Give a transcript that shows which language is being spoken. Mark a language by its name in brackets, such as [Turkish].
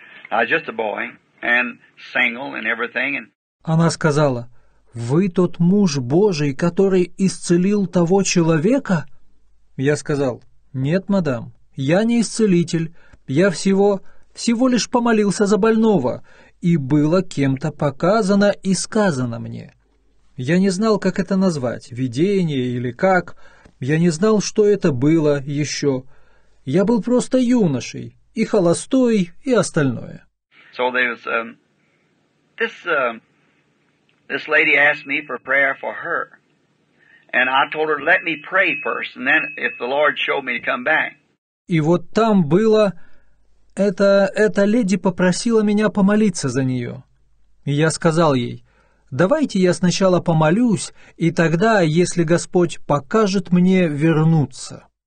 [English] I was just a boy and single and everything." [Russian] Она сказала, «Вы тот муж Божий, который исцелил того человека?» Я сказал, «Нет, мадам, я не исцелитель. Я всего лишь помолился за больного, и было кем-то показано и сказано мне». Я не знал, как это назвать, видение или как. Я не знал, что это было еще. Я был просто юношей, и холостой, и остальное. [English] So there was, this lady asked me for prayer for her. And I told her, let me pray first, and then if the Lord showed me to come back. [Russian] И вот там было... Эта леди попросила меня помолиться за нее. И я сказал ей, «Давайте я сначала помолюсь, и тогда, если Господь покажет мне вернуться».